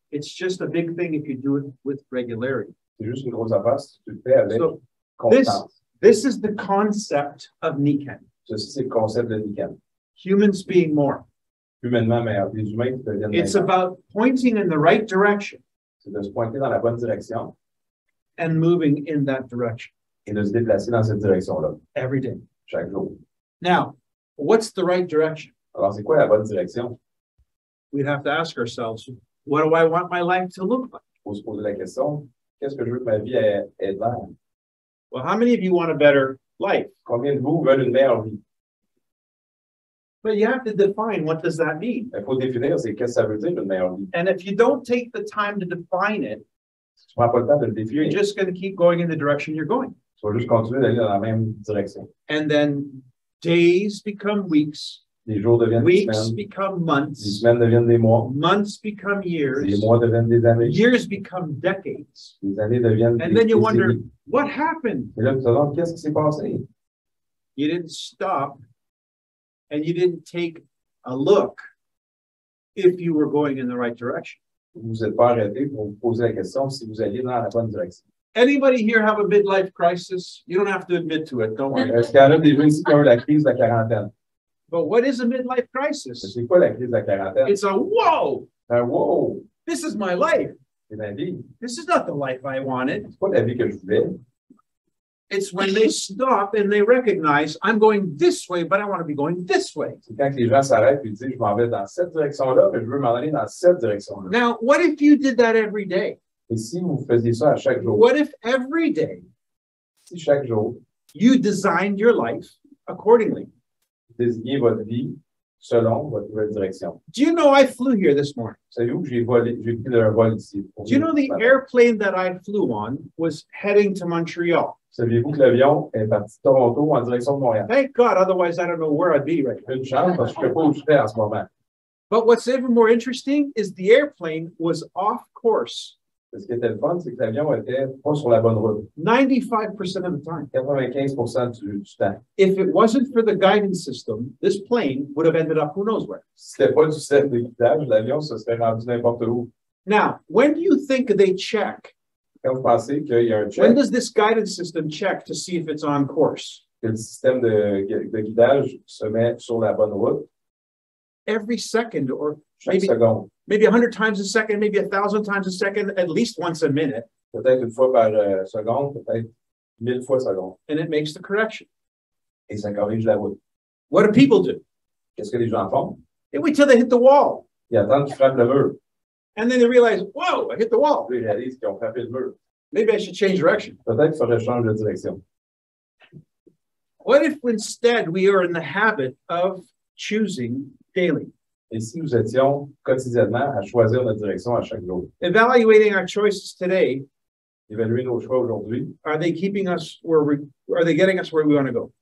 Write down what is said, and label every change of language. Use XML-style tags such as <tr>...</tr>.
<en>It's just a big thing if you do it with regularity.</en> <fr>C'est juste une grosse affaire si tu le fais avec constance.</fr> <en>This is the concept of Niken.</en> <fr>Ceci, c'est le concept de Niken.</fr> <en>Humans being more.</en> <fr>Humainement meilleur. Les humains qui deviennent meilleurs.</fr> <en>It's about pointing in the right direction.</en> <fr>C'est de se pointer dans la bonne direction.</fr> <en>And moving in that direction.</en> <fr>Et de se déplacer dans cette direction-là.</fr> <en>Every day.</en> <fr>Chaque jour.</fr> <en>Now, what's the right direction?</en> <fr>Alors, c'est quoi la bonne direction?</fr> <en>We'd have to ask ourselves, what do I want my life to look like?</en> <fr>On se pose la question, qu'est-ce que je veux que ma vie ait l'air?</fr> <en>Well, how many of you want a better life?</en> <fr>Combien de vous veulent une meilleure vie?</fr> <en>But you have to define what does that mean.</en> <fr>Il faut définir, c'est qu'est-ce que ça veut dire une meilleure vie.</fr> <en>And if you don't take the time to define it,</en> <fr>si tu prends pas le temps de le définir,</fr> <en>you're just going to keep going in the direction you're going.</en> <fr>Tu vas juste continuer d'aller dans la même direction.</fr> <en>And then days become weeks.</en> <fr>Les jours deviennent</fr> <en>weeks</en> <fr>semaines.</fr> <en>Become months.</en> <fr>Les semaines deviennent des mois.</fr> <en>Months become years.</en> <fr>Les mois deviennent des années.</fr> <en>Years become decades.</en> <fr>Les années deviennent</fr> <en>and</en> <fr>des</fr> <en>then you</en> <fr>décennies.</fr> <en>Wonder, what happened?</en> <fr>Et là, tu te demandes, qu'est-ce qui s'est passé?</fr> <en>You didn't stop and you didn't take a look if you were going in the right direction.</en> <fr>Vous n'êtes pas arrêté pour vous poser la question si vous alliez dans la bonne direction.</fr> <en>Anybody here have a midlife crisis? You don't have to admit to it, don't worry.</en> <fr>Est-ce qu'il y en a des gens qui ont la crise de la quarantaine?</fr> <en>But what is a midlife crisis?</en> <fr>C'est quoi la crise de la quarantaine?</fr> <en>It's a whoa!</en> <fr>Un whoa!</fr> <en>This is my life!</en> <fr>C'est ma vie.</fr> <en>This is not the life I wanted.</en> <fr>C'est pas la vie que je voulais.</fr> <en>It's when they stop and they recognize I'm going this way, but I want to be going this way.</en> <fr>C'est quand les gens s'arrêtent et disent je m'en vais dans cette direction-là, mais je veux m'en aller dans cette direction-là.</fr> <en>Now, what if you did that every day?</en> <fr>Et si vous faisiez ça à chaque jour?</fr> <en>What if every day,</en> <fr>si chaque jour,</fr> <en>you designed your life accordingly?</en> <fr>Désignez votre vie selon votre nouvelle direction.</fr> <en>Do you know I flew here this morning?</en> <fr>Savez-vous que j'ai pris un vol ici?</fr> <en>Do you know the airplane that I flew on was heading to Montreal?</en> <fr>Saviez-vous que l'avion est parti de Toronto en direction de Montréal?</fr> <en>Thank God, otherwise I don't know where I'd be right now.</en> <fr>Une chance, parce que je ne sais pas où je serais en ce moment.</fr> <en>But what's even more interesting is the airplane was off course.</en> <fr>Ce qui était le fun, c'est que l'avion était pas sur la bonne route.</fr> <en>95% of the time.</en> <fr>95% du temps.</fr> <en>If it wasn't for the guidance system, this plane would have ended up who knows where.</en> <fr>Si c'était pas du système de guidage, l'avion se serait rendu n'importe où.</fr> <en>Now, when do you think they check?</en> <fr>Quand vous pensez qu'il y a un check?</fr> <en>When does this guidance system check to see if it's on course?</en> <fr>Que le système de guidage se met sur la bonne route?</fr> <en>Every second or</en> <fr>chaque</fr> <en>maybe,</en> <fr>seconde.</fr> <en>Maybe 100 times a second, maybe 1,000 times a second, at least once a minute.</en> <fr>Peut-être une fois par seconde, peut-être 1,000 fois seconde.</fr> <en>And it makes the correction.</en> <fr>Et ça corrige la route.</fr> <en>What do people do?</en> <fr>Qu'est-ce que les gens font?</fr> <en>They wait till they hit the wall.</en> <fr>Ils attendent qu'ils frappent le mur.</fr> <en>And then they realize, whoa, I hit the wall.</en> <fr>Ils réalisent qu'ils ont frappé le mur.</fr> <en>Maybe I should change direction.</en> <fr>Peut-être qu'il faudrait changer de direction.</fr> <en>What if instead we are in the habit of choosing daily?</en> <fr>Et si nous étions quotidiennement à choisir notre direction à chaque jour?</fr> <en>Evaluating our choices today.</en> <fr>Évaluer nos choix aujourd'hui.</fr> <en>Are they keeping us where we, are they getting us where we want to go?</en>